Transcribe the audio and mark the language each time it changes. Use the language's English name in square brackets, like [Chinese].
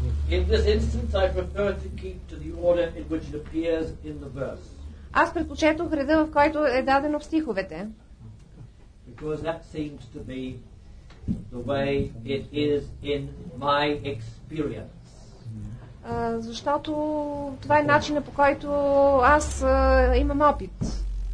[English] In this instance, I prefer to keep to the order in which it appears in the verse. [Bulgarian] Аз предпочетох реда, в който е дадено в стиховете. [English] Because that seems to be the way it is in my experience. [Bulgarian] Защото това е начинът, по който аз имам опит.